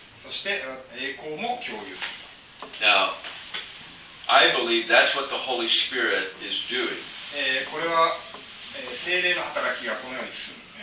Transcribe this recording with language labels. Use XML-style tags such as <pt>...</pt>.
<ja>そして栄光も共有すると。</ja> <en>Now, I believe that's what the Holy Spirit is doing.</en> <ja>これは聖霊の働きがこのように進む。</ja>